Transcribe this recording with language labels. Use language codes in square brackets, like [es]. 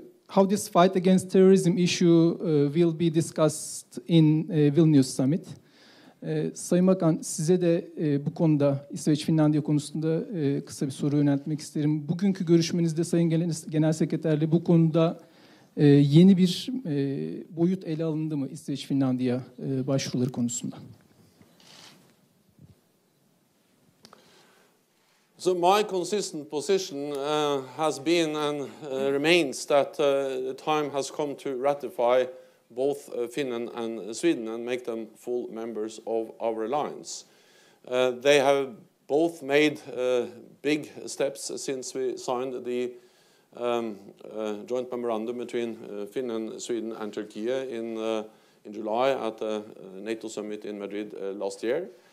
[en] How this fight against terrorism issue will be discussed in Vilnius summit? [tr] Sayın Bakan, size de bu konuda İsveç-Finlandiya konusunda kısa bir soru yöneltmek isterim. Bugünkü görüşmenizde Sayın Genel Sekreterle bu konuda yeni bir boyut ele alındı mı İsveç-Finlandiya başvuruları konusunda? [en] So my consistent position has been and remains that the time has come to ratify both Finland and Sweden and make them full members of our alliance. They have both made big steps since we signed the joint memorandum between Finland, Sweden and Turkey in July at the NATO summit in Madrid last year.